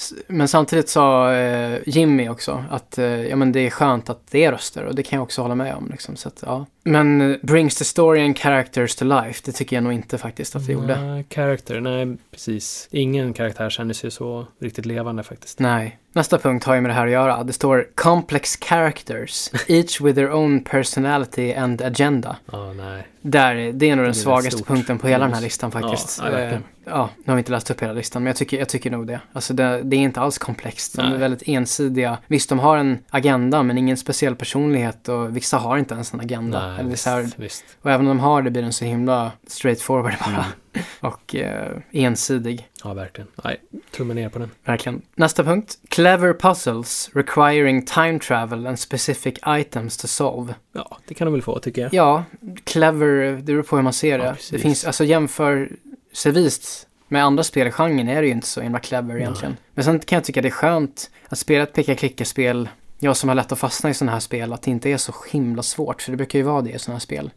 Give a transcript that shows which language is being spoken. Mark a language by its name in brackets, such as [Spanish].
[Swedish] Men samtidigt sa Jimmy också att ja, men det är skönt att det är röster, och det kan jag också hålla med om. Liksom, så att, ja. Men brings the story and characters to life, det tycker jag nog inte faktiskt att det gjorde. Character, nej precis. Ingen karaktär känner sig så riktigt levande faktiskt. Nej. Nästa punkt har ju med det här att göra. Det står complex characters, each with their own personality and agenda. Ja, oh, nej. Där, det är nog den svagaste punkten på hela den här listan faktiskt. Ja, nu har vi inte läst upp hela listan, men jag tycker nog det. Alltså det är inte alls komplext. De är väldigt ensidiga. Visst, de har en agenda, men ingen speciell personlighet, och vissa har inte ens en agenda. Nej, eller visst, visst. Och även om de har det, blir den så himla straightforward bara. Och ensidig. Ja, verkligen. Nej, tummen ner på den. Verkligen. Nästa punkt. [English] Clever puzzles requiring time travel and specific items to solve. [Swedish] Ja, det kan de väl få, tycker jag. Ja, clever, det beror på hur man ser det. Ja, det finns, alltså jämför servist med andra spelgenren är det ju inte så himla clever egentligen. Nej. Men sen kan jag tycka det är skönt att spela ett peka-klicka-spel. Jag som har lätt att fastna i sådana här spel, att det inte är så himla svårt, för det brukar ju vara det i sådana här spel.